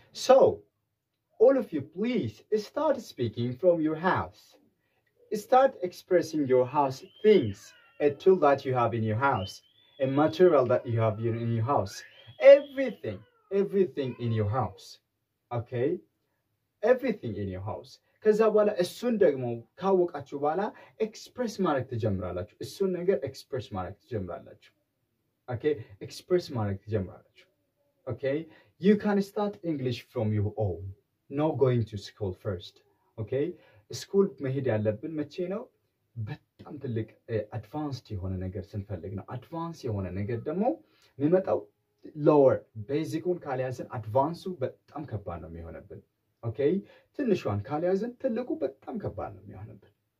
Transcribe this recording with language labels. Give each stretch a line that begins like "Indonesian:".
English: So, all of you please start speaking from your house. Start expressing your house things, a tool that you have in your house, a material that you have in your house, everything in your house, okay? Everything in your house.
Amharic: ከዛ በኋላ እሱን ደግሞ ካወቃችሁ በኋላ express ማድረግ ትጀምራላችሁ እሱን ነገር express ማድረግ ትጀምራላችሁ okay? Express ማድረግ ትጀምራላችሁ
English: okay? You can start English from your own, not going to school first, okay?
Amharic: ስኩል መሄድ ያለብን መቼ ነው በጣም ትልቅ አድቫንስድ የሆነ ነገር ስንፈልግ ነው አድቫንስ የሆነ ነገር ደግሞ የሚመጣው
English: ሎወር ቤዚኩን
Amharic: ካልያዝን አድቫንሱ በጣም ከባድ ነው የሚሆነብን ኦኬ ትንሽዋን ካልያዝን ትልቁ በጣም ከባድ ነው የሚሆነብን